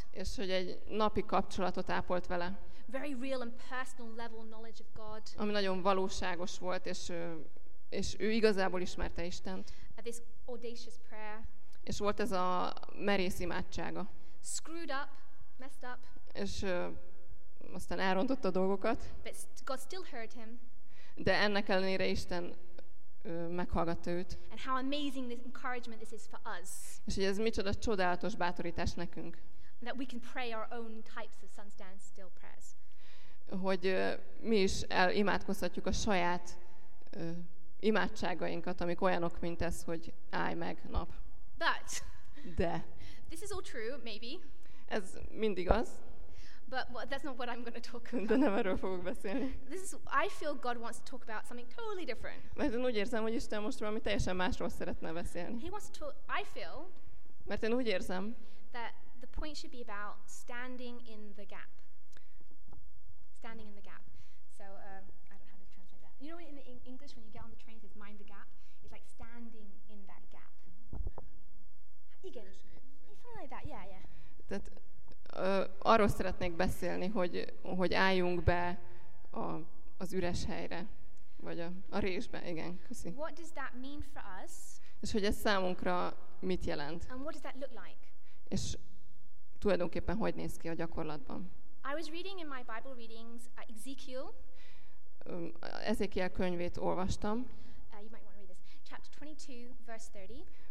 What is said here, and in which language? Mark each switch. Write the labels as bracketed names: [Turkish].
[Hungarian] És hogy egy napi kapcsolatot ápolt vele. [English] Very real and personal level knowledge of God. [Hungarian] Ami nagyon valóságos volt, és ő igazából ismerte Istent. [English] This audacious prayer. [Hungarian] És volt ez a merész imádsága. [English] Screwed up, messed up. [Hungarian] És aztán elrontotta a dolgokat. [English] But God still heard him. [Hungarian] De ennek ellenére Isten meghallgatta őt. [English] And how amazing this encouragement this is for us. [Hungarian] És hogy ez micsoda csodálatos bátorítás nekünk. [English] That we can pray our own types of sun stand still prayers. [Hungarian] Hogy mi is imádkozhatjuk a saját imádságainkat, amik olyanok, mint ez, hogy állj meg nap. [English] But. [Hungarian] De. [English] This is all true, maybe. [Hungarian] Ez mindig az. [English] But well, that's not what I'm going to talk about. [Hungarian] De nem erről fogok beszélni. [English] This is, I feel God wants to talk about something totally different. [Hungarian] Mert én úgy érzem, hogy Isten most valami teljesen másról szeretne beszélni. [English] He wants to talk, I feel. [Hungarian] Mert én úgy érzem. [English] That the point should be about standing in the gap. Standing in the gap. So, I don't know how to translate that. You know in the English when you get on the train it says mind the gap? It's like standing in that gap. [Hungarian] Igen. [English] Something like that, yeah, yeah. [Hungarian] That, arról szeretnék beszélni, hogy álljunk be az üres helyre, vagy a résbe, igen, köszi. [English] What does that mean for us? [Hungarian] És hogy ez számunkra mit jelent? [English] And what does that look like? [Hungarian] És tulajdonképpen hogy néz ki a gyakorlatban? [English] I was reading in my Bible readings Ezekiel. [Hungarian] Ezekiel könyvét olvastam. [English] You might want to read this. Chapter 22, verse 30.